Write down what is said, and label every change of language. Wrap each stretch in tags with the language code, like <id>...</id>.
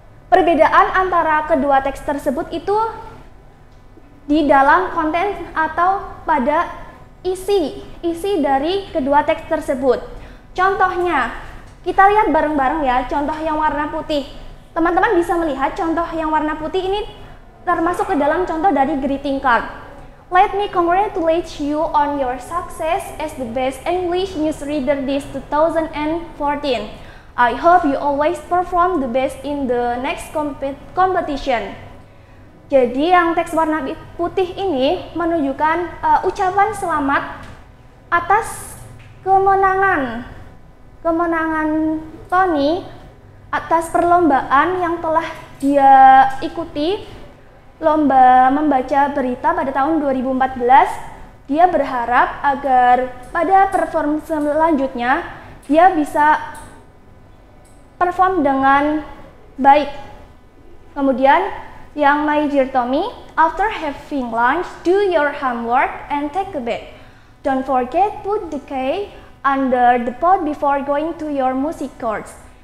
<id>Perbedaan antara kedua teks tersebut itu di dalam konten atau pada isi dari kedua teks tersebut. Contohnya, kita lihat bareng-bareng ya, contoh yang warna putih. Teman-teman bisa melihat contoh yang warna putih ini termasuk ke dalam contoh dari greeting card.</id> <en>Let me congratulate you on your success as the best English news reader this 2014. I hope you always perform the best in the next competition.</en> <id>Jadi yang teks warna putih ini menunjukkan ucapan selamat atas kemenangan Tony atas perlombaan yang telah dia ikuti, lomba membaca berita pada tahun 2014. Dia berharap agar pada perform selanjutnya dia bisa perform dengan baik. Kemudian yang</id> <en>My Dear Tommy, after having lunch, do your homework and take a bath. Don't forget put the key under the pot before going to your music course.</en>